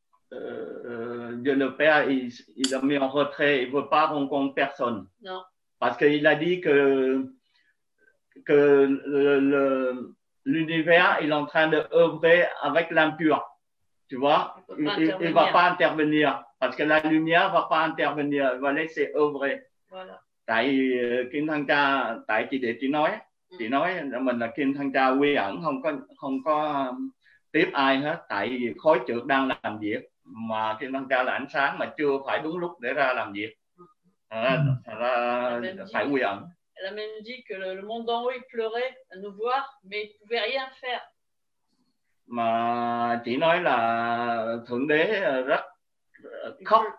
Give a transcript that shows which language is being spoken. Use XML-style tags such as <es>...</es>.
<fr>Je ne peux pas, il a mis en retrait, il ne veut pas rencontrer personne. Non. Parce qu'il a dit que le, l'univers est en train d'œuvrer avec l'impur. Tu vois, il ne va pas intervenir. Parce que la lumière ne va pas intervenir, il va laisser œuvrer. Voilà.</fr> <vi>Tại Kim Thân Cha, tại chị để chị nói mình là Kim Thân Cha quy ẩn, không có tiếp ai hết. Tại vì khối trượt đang làm việc, mà Kim Thân Cha là ánh sáng mà chưa phải đúng lúc để ra làm việc. Ra phải quy ẩn.</vi> <fr>Elle a même dit que le monde d'en haut, il pleurait à nous voir, mais il ne pouvait rien faire.</fr> <vi>Mà chị nói là Thượng Đế rất khóc.</vi>